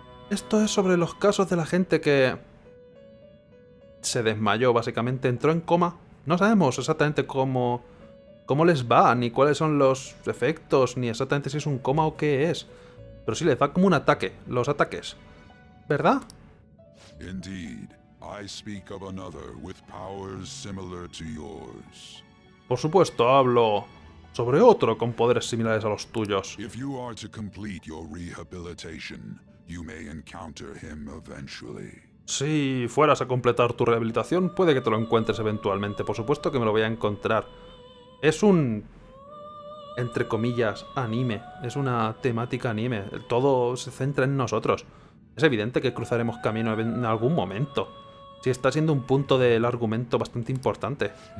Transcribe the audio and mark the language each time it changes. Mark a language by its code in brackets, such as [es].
[es] Esto es sobre los casos de la gente que... se desmayó, básicamente entró en coma. No sabemos exactamente cómo les va, ni cuáles son los efectos, ni exactamente si es un coma o qué es. Pero sí les da como un ataque, los ataques. ¿Verdad? [en] Indeed, I speak of another with powers similar to yours. [es] Por supuesto, hablo sobre otro con poderes similares a los tuyos. [en] If you are to complete your rehabilitation, you may encounter him eventually. [es] Si fueras a completar tu rehabilitación, puede que te lo encuentres eventualmente. Por supuesto que me lo voy a encontrar. Es un... entre comillas, anime. Es una temática anime. Todo se centra en nosotros. Es evidente que cruzaremos camino en algún momento. Si está siendo un punto del argumento bastante importante.